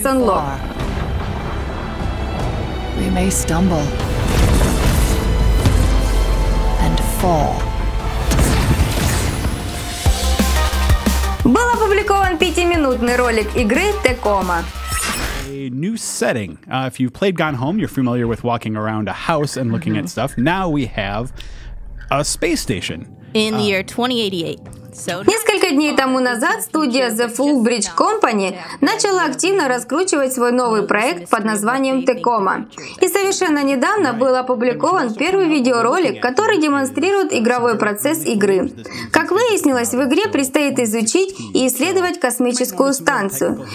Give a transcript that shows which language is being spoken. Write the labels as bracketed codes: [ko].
[en] We may stumble and fall. [ru] Был опубликован 5-минутный ролик игры Tecoma. [en] A new setting. If you've played Gone Home, you're familiar with walking around a house and looking at stuff. Now we have a space station. In the year 2088. [ru] Несколько дней тому назад студия The Full Bridge Company начала активно раскручивать свой новый проект под названием Tecoma. И совершенно недавно был опубликован первый видеоролик, который демонстрирует игровой процесс игры. Как выяснилось, в игре предстоит изучить и исследовать космическую станцию.